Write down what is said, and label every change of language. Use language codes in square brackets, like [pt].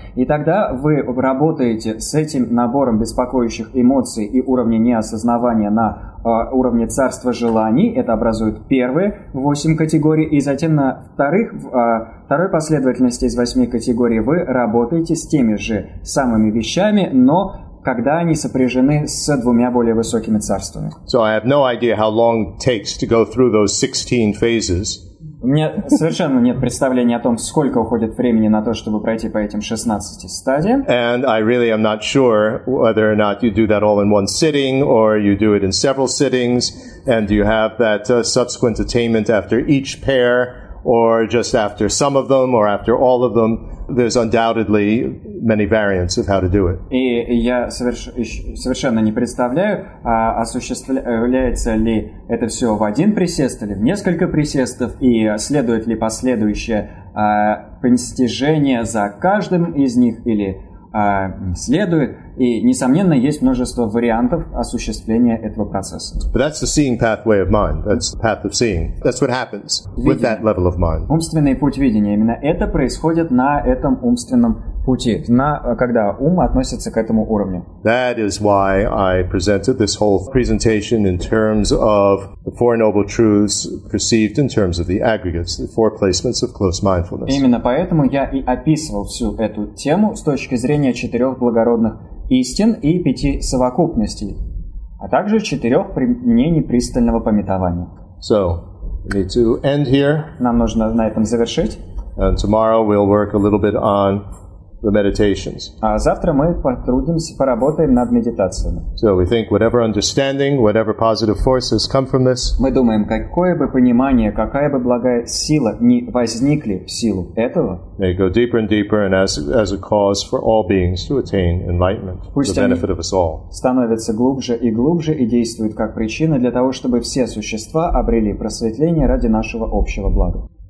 [ru] И тогда вы работаете с этим набором беспокоящих эмоций и уровней неосознавания на уровне царства желаний. Это образует первые восемь категорий. И затем на вторых, второй последовательности из восьми категорий вы работаете с теми же самыми вещами, но когда они сопряжены с двумя более высокими царствами. [en] So I have no idea how long it takes to go through those 16 phases. [ru] У меня совершенно нет представления о том, сколько уходит времени на то, чтобы пройти по этим 16 стадиям. [en] And I really am not sure whether or not you do that all in one sitting, or you do it in several sittings, and you have that subsequent attainment after each pair, or just after some of them, or after all of them. There's undoubtedly many variants of how to do it. [ru] И я совершенно не представляю, осуществляется ли это все в один присест или в несколько присестов, и следует ли последующее постижение за каждым из них или следует. И несомненно есть множество вариантов осуществления этого процесса. [en] But that's the seeing pathway of mind. That's the path of seeing. That's what happens [ru] видение. [en] With that level of mind. [ru] Умственный путь видения. Именно это происходит на этом умственном пути, когда ум относится к этому уровню. [en] That is why I presented this whole presentation in terms of the Four Noble Truths perceived in terms of the aggregates, the four placements of close mindfulness. [ru] Именно поэтому я и описывал всю эту тему с точки зрения четырех благородных истин и пяти совокупностей, а также четырех применений пристального памятования. [en] So, we need to end here. [ru] Нам нужно на этом завершить. [en] And tomorrow we'll work a little bit on the meditations. [ru] А завтра мы поработаем над медитациями. [en] So we think whatever understanding, whatever positive force has come from this. [ru] Мы думаем, какое бы понимание, какая бы благая сила ни возникли в силу этого. [en] May go deeper and deeper, and as a cause for all beings to attain enlightenment, the benefit of us all. [ru] Становится глубже и глубже и действует как причина для того, чтобы все существа обрели просветление ради нашего общего блага.